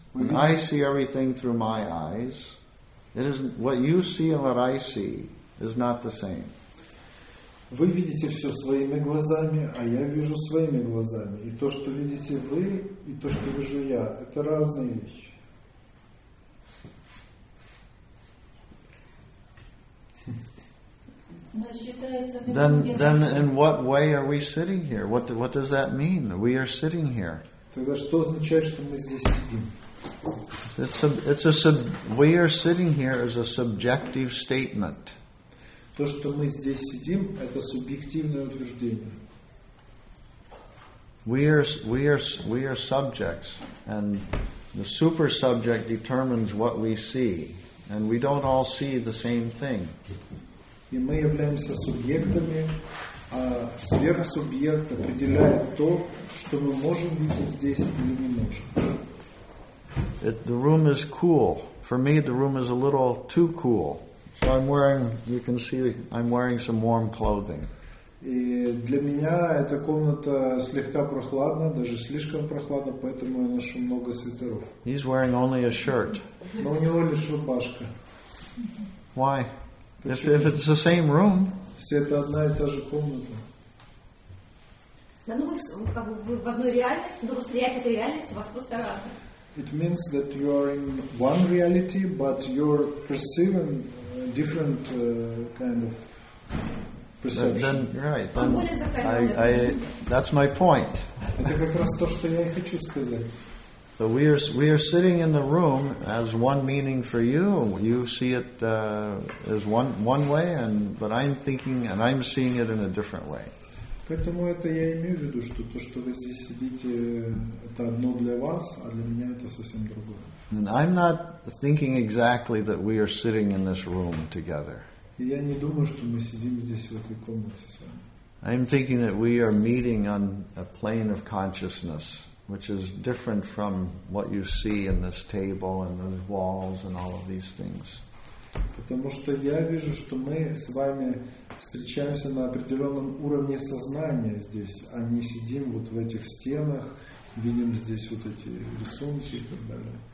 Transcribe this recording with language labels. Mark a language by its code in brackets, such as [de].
[en] When I see everything through my eyes, it isn't what you see and what I see is not the same. [ru] Вы видите все своими глазами, а я вижу своими глазами. И то, что видите вы, и то, что вижу я, это разные вещи. [en] Then in what way are we sitting here? What does that mean? We are sitting here. [ru] Тогда что означает, что мы здесь сидим? [en] We are sitting here is a subjective statement. [ru] То, что мы здесь сидим, это субъективное утверждение. [en] We are subjects, and the super subject determines what we see, and we don't all see the same thing. [ru] И мы являемся субъектами, а сверхсубъект определяет то, что мы можем видеть здесь или не можем. [en] The room is cool. For me, the room is a little too cool. So I'm wearing some warm clothing. [ru] И для меня эта комната слегка прохладна, даже слишком прохладна, поэтому я ношу много свитеров. [en] He's wearing only a shirt. [ru] Но у него лишь рубашка. [en] Why? If it's the same room. [ru] Если это одна и та же комната. [en] It means that you are in one reality, but you're perceiving different kind of perception. Then, right. Then I that's my point. [ru] Это как раз то, что я хочу сказать. [en] So we are sitting in the room as one meaning for you. You see it as one way, but I'm thinking and I'm seeing it in a different way. [ru] Поэтому это я имею в виду, что то, что вы здесь сидите, это одно для вас, а для меня это совсем другое. [en] And I'm not thinking exactly that we are sitting in this room together. [ru] И я не думаю, что мы сидим здесь в этой комнате с вами. [en] I'm thinking that we are meeting on a plane of consciousness, which is different from what you see in this table and the walls and all of these things. [ru] Потому что я вижу, что мы с вами встречаемся на определенном уровне сознания здесь, а не сидим вот в этих стенах, видим здесь вот эти рисунки и так далее.